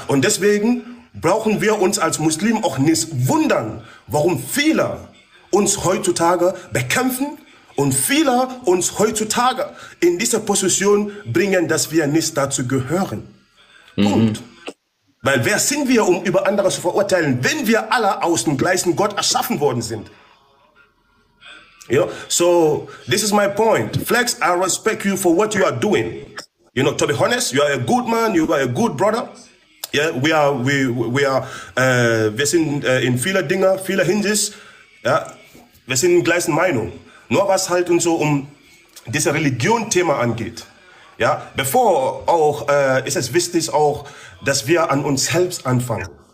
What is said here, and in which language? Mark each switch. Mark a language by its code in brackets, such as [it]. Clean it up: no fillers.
[de] Und deswegen brauchen wir uns als Muslimen auch nicht wundern, warum viele uns heutzutage bekämpfen und viele uns heutzutage in diese Position bringen, dass wir nicht dazu gehören. Punkt. Weil wer sind wir, um über andere zu verurteilen, wenn wir alle aus dem gleichen Gott erschaffen worden sind? [en] You know, so this is my point. Flex, I respect you for what you are doing. You know, to be honest, you are a good man, you are a good brother. [de] Yeah, wir sind in viele Dinge, viele Hinsicht, ja, wir sind in gleichen Meinung. Nur was halt und so um dieses Religion-Thema angeht. Ja, bevor auch, ist es wichtig auch, dass wir an uns selbst anfangen.